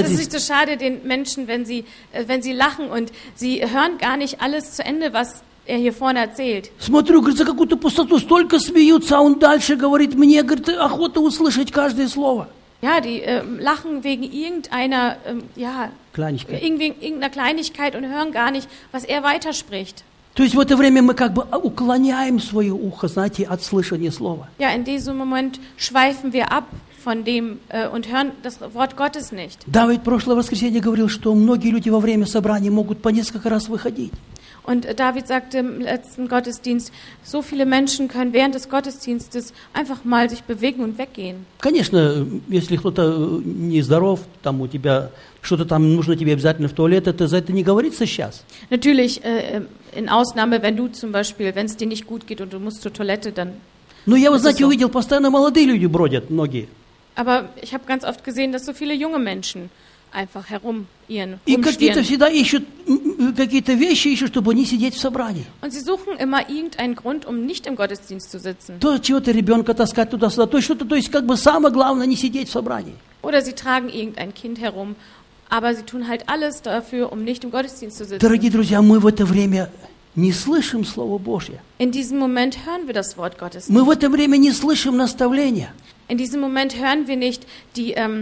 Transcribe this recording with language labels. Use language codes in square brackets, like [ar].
[de] ist es nicht so schade den Menschen, wenn sie lachen und sie hören gar nicht alles zu Ende, was er hier vorne erzählt. [ru] Смотрю, говорит, за какую-то пустоту столько смеются, а он дальше говорит мне, говорит, охота услышать каждое слово. [de] Ja, die lachen wegen irgendeiner Kleinigkeit. Kleinigkeit und hören gar nicht, was er weiterspricht. [ru] То есть в это время мы как бы уклоняем свое ухо, знаете, от слышания слова. [de] Ja, in diesem Moment schweifen wir ab. Von dem, und hören das Wort Gottes nicht. [ru] David прошлое воскресенье говорил, что многие люди во время собрания могут по несколько раз выходить. [de] Und David sagte im letzten Gottesdienst, so viele Menschen können während des Gottesdienstes einfach mal sich bewegen und weggehen. [ru] Конечно, если кто-то нездоров, там у тебя что-то там нужно тебе обязательно в туалет, это за это не говорится сейчас. [de] Natürlich, in Ausnahme, wenn du zum Beispiel, wenn es dir nicht gut geht und du musst zur Toilette, dann. [ru] Но я, вот, знаете, увидел, постоянно молодые люди бродят, многие. [de] Aber ich habe ganz oft gesehen, dass so viele junge Menschen einfach herumirren. [ru] И какие-то всегда ищут какие-то вещи, ищут, чтобы не сидеть в собрании. [de] Und sie suchen immer irgendeinen Grund, um nicht im Gottesdienst zu sitzen. [ru] То чего-то ребенка таскать туда-сюда, то что-то, то есть как бы самое главное не сидеть в собрании. [de] Oder sie tragen irgendein Kind herum, aber sie tun halt alles dafür, um nicht im Gottesdienst zu sitzen. [ru] Дорогие друзья, мы в это время не слышим Слово Божье. [de] In diesem Moment hören wir das Wort Gottes. [ru] Мы в это время не слышим наставления. [de] In diesem Moment hören wir nicht die